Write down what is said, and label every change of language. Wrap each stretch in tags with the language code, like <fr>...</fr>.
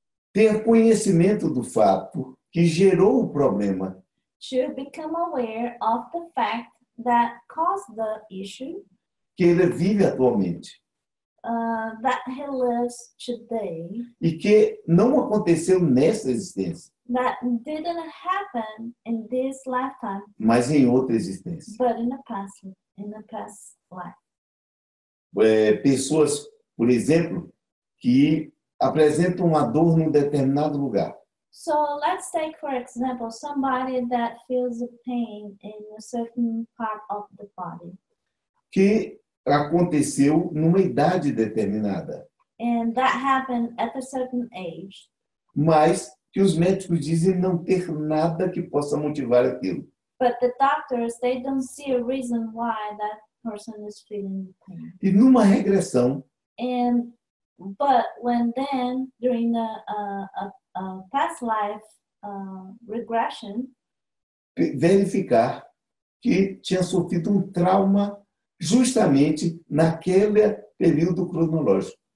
<pt>Ter conhecimento do fato que gerou o problema.</pt> <en>To become aware of the fact that caused the issue.</en> <pt>Que ele vive atualmente.</pt> <en>That he lives today.</en> <pt>E que não aconteceu nessa existência.</pt> <en>That didn't happen in this lifetime.</en> <pt>Mas em outra existência.</pt> <en>But in the past life.</en> <pt>Pessoas, por exemplo, que apresentam uma dor num determinado lugar.</pt> <en>So let's take, for example, somebody that feels a pain in a certain part of the body.</en> <pt>Que aconteceu numa idade determinada.</pt> <en>And that happened at a certain age.</en> <pt>Mas que os médicos dizem não ter nada que possa motivar aquilo.</pt> <en>But the doctors, they don't see a reason why that person is feeling pain.</en> <pt>E numa regressão.</pt> <en>And, but when then, during a past life regression.</en> <pt>Verificar que tinha sofrido um trauma justamente naquele período cronológico.</pt>